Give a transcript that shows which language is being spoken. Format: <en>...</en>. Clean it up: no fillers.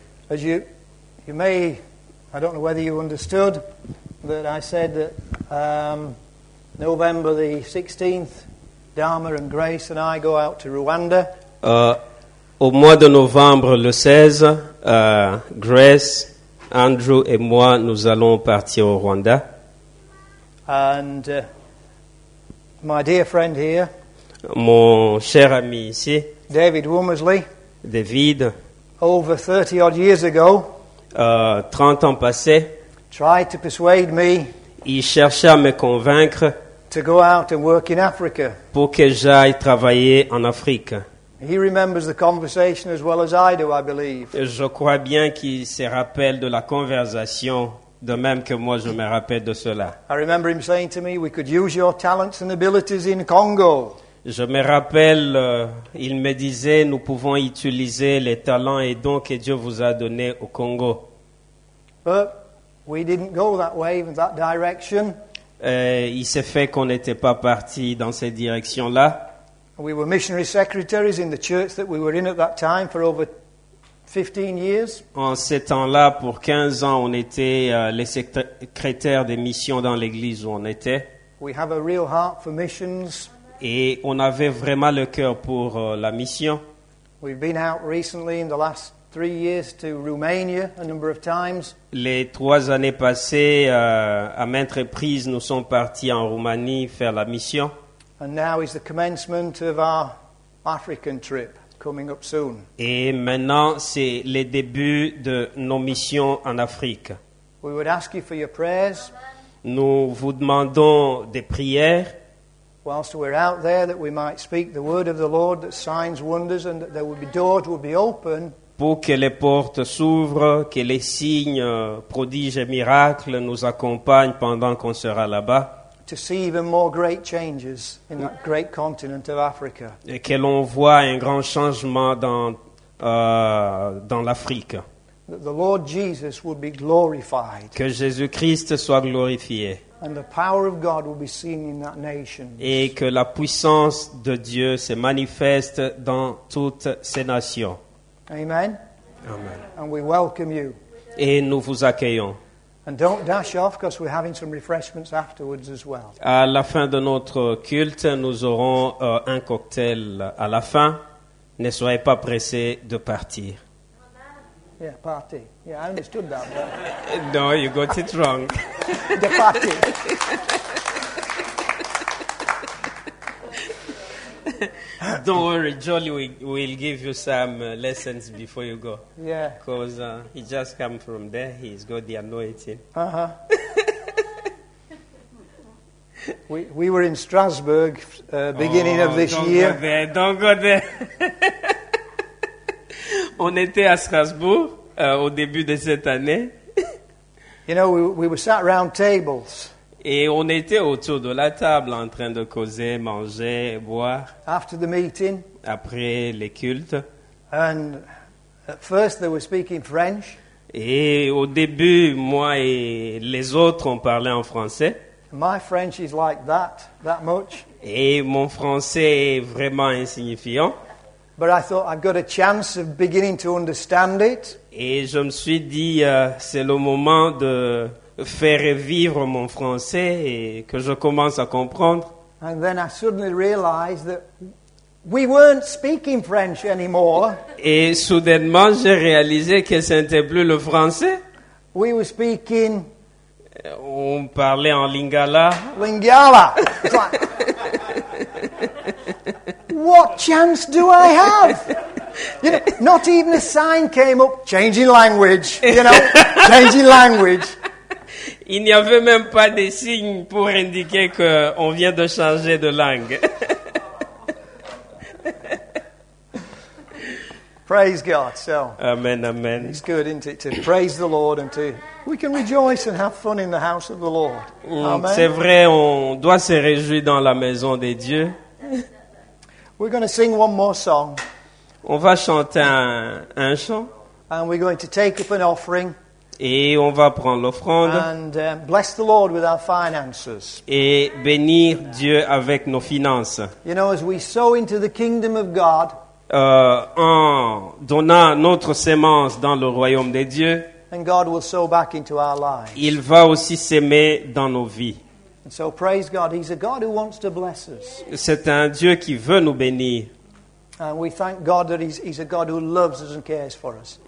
<en>As you may, I don't know whether you understood that I said that November the 16th, Dharma and Grace and I go out to Rwanda.</en> <fr>Au mois de novembre le 16, Grace, Andrew et moi, nous allons partir au Rwanda.</fr> <en>And my dear friend here,</en> <fr>mon cher ami ici,</fr> <en>David Womersley,</en> <fr>David,</fr> <en>over 30 odd years ago,</en> <fr>30 ans passés,</fr> <en>tried to persuade me,</en> <fr>il cherchait à me convaincre</fr> <en>to go out and work in Africa.</en> <fr>Pour que j'aille travailler en Afrique.</fr> <en>He remembers the conversation as well as I do, I believe.</en> <fr>Je crois bien qu'il se rappelle de la conversation, de même que moi je me rappelle de cela.</fr> <en>I remember him saying to me, we could use your talents and abilities in Congo.</en> <fr>Je me rappelle, il me disait, nous pouvons utiliser les talents et dons que Dieu vous a donnés au Congo.</fr> <en>But we didn't go that way, in that direction.</en> <fr>Il s'est fait qu'on n'était pas parti dans cette direction-là.</fr> <en>We were missionary secretaries in the church that we were in at that time for over 15 years.</en> <fr>En ces temps-là, pour 15 ans, on était les secrétaires des missions dans l'église où on était.</fr> <en>We have a real heart for missions.</en> <fr>Et on avait vraiment le cœur pour la mission.</fr> <en>We've been out recently in the last 3 years to Romania a number of times.</en> <fr>Les trois années passées, à maintes reprises, nous sommes partis en Roumanie faire la mission.</fr> <en>And now is the commencement of our African trip coming up soon.</en> <fr>Et maintenant, c'est le début de nos missions en Afrique.</fr> <en>We would ask you for your prayers.</en> <fr>Nous vous demandons des prières.</fr> <en>Whilst we're out there, that we might speak the word of the Lord, that signs, wonders, and that there would be doors would be open.</en> <fr>Pour que les portes s'ouvrent, que les signes, prodiges et miracles nous accompagnent pendant qu'on sera là-bas.</fr> <en>To see even more great changes in that great continent of Africa.</en> <fr>Et que l'on voit un grand changement dans l'Afrique.</fr> <en>That the Lord Jesus would be glorified.</en> <fr>Que Jésus-Christ soit glorifié.</fr> <en>And the power of God will be seen in that nation.</en> <fr>Et que la puissance de Dieu se manifeste dans toutes ces nations.</fr> <en>Amen.</en> <fr>Amen.</fr> <en>And we welcome you.</en> <fr>Et nous vous accueillons.</fr> <en>And don't dash off, because we're having some refreshments afterwards as well.</en> <fr>À la fin de notre culte, nous aurons un cocktail à la fin. Ne soyez pas pressés de partir.</fr> <en>Yeah, party. Yeah, I understood that. But... No, you got it wrong. The party. Don't worry, Jolly will give you some lessons before you go. Yeah. Because he just come from there, he's got the anointing. Uh-huh. We were in Strasbourg beginning of this year. Don't go there.</en> <fr>On était à Strasbourg au début de cette année.</fr> <en>You know, we were sat around tables.</en> <fr>Et on était autour de la table en train de causer, manger, boire.</fr> <en>After the meeting.</en> <fr>Après les cultes.</fr> <en>And at first they were speaking French.</en> <fr>Et au début, moi et les autres ont parlé en français.</fr> <en>My French is like that much.</en> <fr>Et mon français est vraiment insignifiant.</fr> <en>But I thought I've got a chance of beginning to understand it.</en> <fr>Et je me suis dit c'est le moment de faire vivre mon français et que je commence à comprendre.</fr> <en>And then I suddenly realized that we weren't speaking French anymore.</en> <fr>Et soudainement j'ai réalisé que ce n'était plus le français.</fr> <en>We were speaking.</en> <fr>On parlait en Lingala.</fr> <en>Lingala. What chance do I have? You know, not even a sign came up. Changing language. You know, changing language.</en> <fr>Il n'y avait même pas de signe pour indiquer que on vient de changer de langue.</fr> <en>Praise God. So. Amen. Amen. It's good, isn't it, to praise the Lord and to we can rejoice and have fun in the house of the Lord. Amen.</en> <fr>C'est vrai, on doit se réjouir dans la maison de Dieu.</fr> <en>We're going to sing one more song.</en> <fr>On va chanter un chant.</fr> <en>And we're going to take up an offering.</en> <fr>Et on va prendre l'offrande.</fr> <en>And bless the Lord with our finances.</en> <fr>Et bénir Dieu avec nos finances.</fr> <en>You know, as we sow into the kingdom of God.</en> <fr>En donnant notre semence dans le royaume de Dieu.</fr> <en>And God will sow back into our lives.</en> <fr>Il va aussi semer dans nos vies.</fr> <en>And so praise God, he's a God who wants to bless us.</en> <fr>C'est un Dieu qui veut nous bénir.</fr> <en>And we thank God that he's a God who loves us and cares for us.</en>